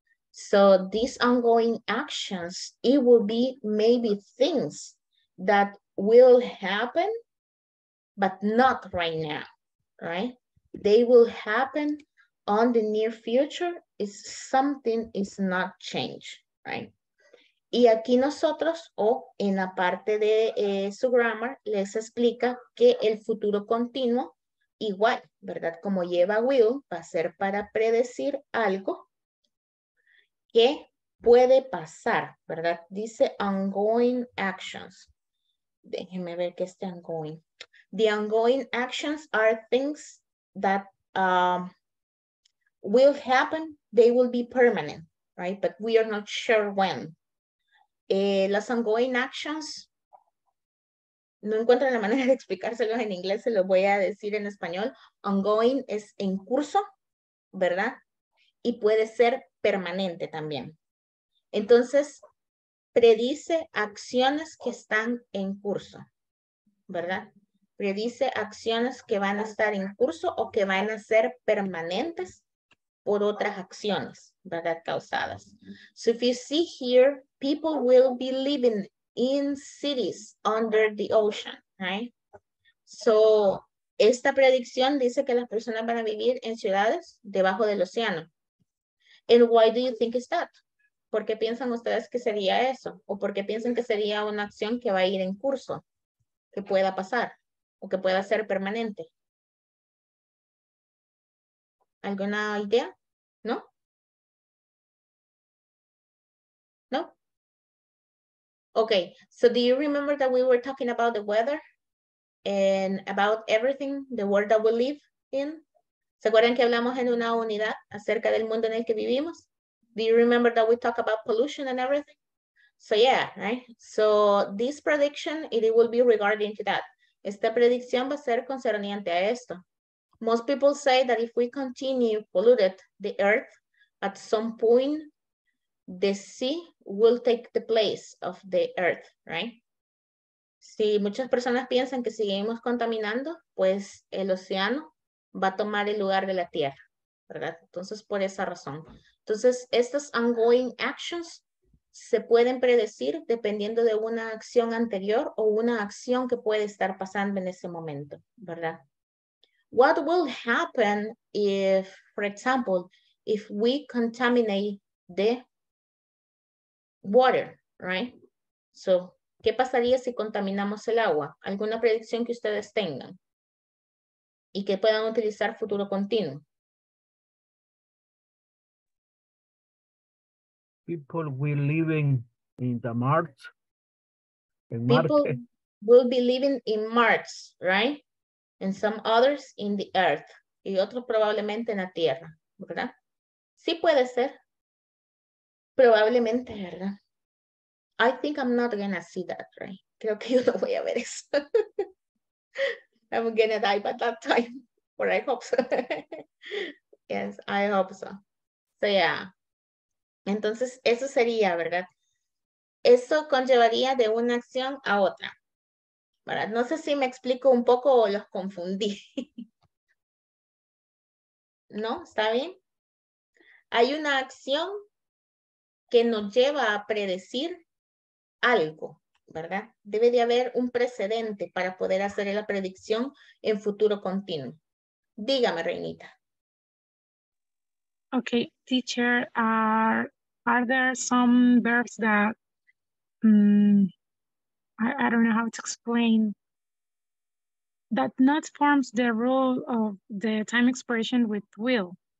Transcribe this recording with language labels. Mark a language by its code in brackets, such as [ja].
[en] So these ongoing actions, it will be maybe things that will happen, but not right now, right? They will happen on the near future if something is not changed. [es] Right. Y aquí nosotros, en la parte de su grammar, les explica que el futuro continuo, igual, ¿verdad? Como lleva will, va a ser para predecir algo que puede pasar, ¿verdad? Dice ongoing actions. Déjenme ver qué es the ongoing. [en] The ongoing actions are things that will happen, they will be permanent. Right, but we are not sure when. [es] Las ongoing actions, no encuentro la manera de explicárselos en inglés, se los voy a decir en español. Ongoing es en curso, ¿verdad? Y puede ser permanente también. Entonces, predice acciones que están en curso, ¿verdad? Predice acciones que van a estar en curso o que van a ser permanentes por otras acciones, ¿verdad? Causadas. [en] So if you see here, people will be living in cities under the ocean, right? [es] So esta predicción dice que las personas van a vivir en ciudades debajo del océano. [en] And why do you think is that? [es] ¿Por qué piensan ustedes que sería eso? ¿O por qué piensan que sería una acción que va a ir en curso, que pueda pasar o que pueda ser permanente? ¿Alguna idea? ¿No? [en] Okay, so do you remember that we were talking about the weather and about everything, the world that we live in? [es] ¿Se acuerdan que hablamos en una unidad acerca del mundo en el que vivimos? [en] Do you remember that we talk about pollution and everything? So yeah, right? So this prediction, it will be regarding to that. [es] Esta predicción va a ser concerniente a esto. [en] Most people say that if we continue polluted the earth at some point, the sea will take the place of the earth, right? [es] si muchas personas piensan que seguimos contaminando, pues el océano va a tomar el lugar de la tierra, ¿verdad? Entonces, por esa razón. Entonces, estas ongoing actions se pueden predecir dependiendo de una acción anterior o una acción que puede estar pasando en ese momento, ¿verdad? [en] What will happen if, for example, if we contaminate the water, right? [es] So, ¿qué pasaría si contaminamos el agua? ¿Alguna predicción que ustedes tengan? Y que puedan utilizar futuro continuo. [en] People will live in the Mars. Will be living in Mars, right? And some others in the earth. [es] Y otros probablemente en la tierra, ¿verdad? Sí puede ser. Probablemente, ¿verdad? [en] I think I'm not gonna see that, right? [es] Creo que yo no voy a ver eso. [en] I'm gonna die by that time. Or I hope so. Yes, I hope so. So, yeah. [es] Entonces, eso sería, ¿verdad? Eso conllevaría de una acción a otra. ¿Verdad? No sé si me explico un poco o los confundí. ¿No? ¿Está bien? Hay una acción que nos lleva a predecir algo, ¿verdad? Debe de haber un precedente para poder hacer la predicción en futuro continuo. Dígame, Reinita. [en] Okay, teacher, are there some verbs that I don't know how to explain that not forms the rule of the time expression with will?